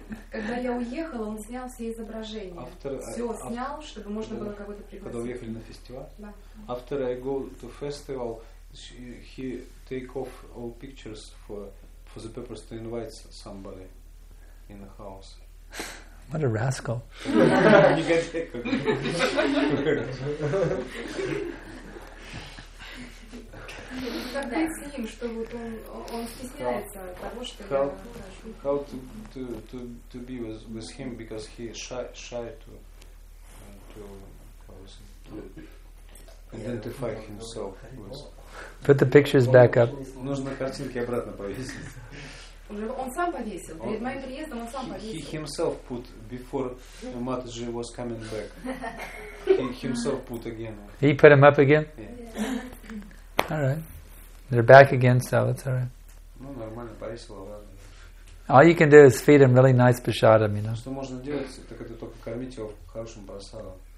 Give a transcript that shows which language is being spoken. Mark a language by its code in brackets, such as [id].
[ru] Когда я уехала, он снял все изображения. Снял, чтобы можно было кого-то пригласить. Когда уехали на фестиваль? Да. [en] After I go to festival, he take off all pictures for the purpose to invite somebody in the house. What a rascal. How to be with him because he is shy to identify himself with. Put the pictures back up. [ru] Нужно картинки обратно повесить. Он сам повесил. Перед моим приездом он сам повесил. [en] He himself put before Mataji was coming back. He himself put again. He put him up again? Yeah. All right. They're back again, so that's all right. [ru] Ну, нормально, повесило, ладно. [en] All you can do is feed him really nice prasadam, you know. [ru] Что можно делать, так это только кормить его хорошим прасадом.